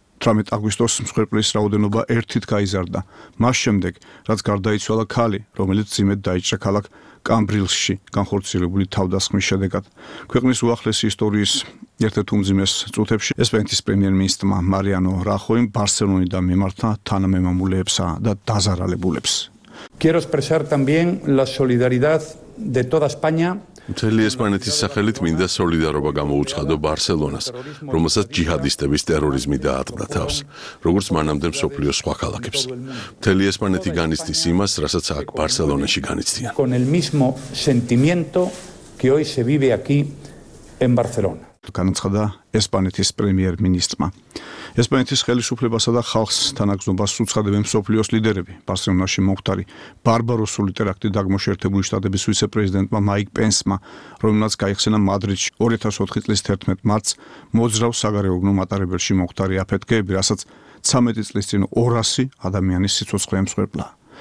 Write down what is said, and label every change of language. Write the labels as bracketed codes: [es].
[ka] 18 აგვისტოს მსხვერპლის რაოდენობა ერთით გაიზარდა მას შემდეგ, რაც გარდაიცვალა ქალი, რომელიც ძიმედ დაიჭრა ქალაქ კამბრილსში განხორციელებული თავდასხმის შედეგად. ქვეყნის უახლესი ისტორიის ერთ-ერთ უმძიმეს წუთებში ესპანეთის პრემიერ-მინისტრმა მარიანო რახოიმ ბარსელონიდან მიმართა თანამემამულეებსა და დაზარალებულებს. [es] Quiero expresar también la solidaridad de toda España. [ka] მთელი ესპანეთის სახელით მინდა სოლიდარობა გამოუცხადო ბარსელონას, რომელსაც ჯიჰადისტების ტერორიზმი დაატყდა თავს, როგორც მანამდე მსოფლიოს სხვა ქალაქებს. მთელი ესპანეთი განიცდის იმას, რასაც აქ ბარსელონაში განიცდიან. [es] Con el mismo sentimiento que hoy se vive aquí en Barcelona. [ka] განაცხადა ესპანეთის პრემიერ-მინისტრმა. ესპანეთის ხელისუფლებასა და ხალხს თანაგზნობას უცხადებენ მსოფლიოს ლიდერები. ბარსელონაში მომხდარი ბარბაროსული ტერაქტი დაგმოშერთებული შტატების ვიცე-პრეზიდენტმა მაიკ პენსმა, რომელმაც გაიხსენა მადრიდში 2004 წლის 11 მარტს მოძრავ საგარეო გნუ მატარებელში მომხდარი აფეთქებები, რასაც 13 წლის წინ 200 ადამიანის სიცოცხლე მსხვერპლა.